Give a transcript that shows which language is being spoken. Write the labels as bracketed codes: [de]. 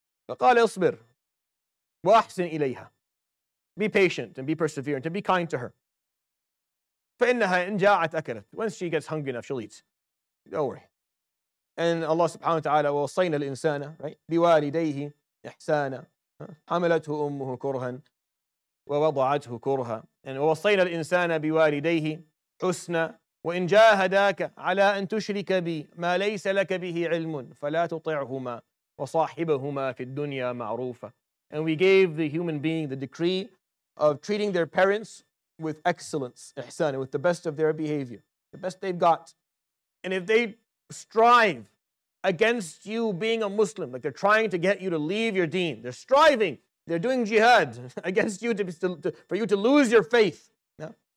[ar] فَقَالَ اصْبِرْ وَأَحْسِنْ إِلَيْهَا [en] Be patient and be perseverant and be kind to her. [ar] فَإِنَّهَا إِنْ جَاعَتْ أَكَلَتْ [en] Once she gets hungry enough, she'll eat. Don't worry. And Allah subhanahu wa ta'ala [ar] وَوَصَيْنَ الْإِنسَانَ [en] right? [ar] بِوَالِدَيْهِ إِحْسَانًا حَمَلَتْهُ أُمُّهُ كُرْهًا وَوَضَعَتْهُ كُرْهًا And وَوَصَيْنَا الْإِنسَانَ بِوَالِدَيْهِ حُسْنًا وَإِنْ جَاهَدَاكَ عَلَىٰ أَنْ تُشْرِكَ بِي مَا لَيْسَ لَكَ بِهِ عِلْمٌ فَلَا تُطِعْهُمَا وَصَاحِبَهُمَا فِي الدُّنْيَا مَعْرُوفًا [en] And we gave the human being the decree of treating their parents with excellence, ihsan, with the best of their behavior, the best they've got. And if they strive against you being a Muslim, like they're trying to get you to leave your deen, they're striving, they're doing jihad against you for you to lose your faith, yeah?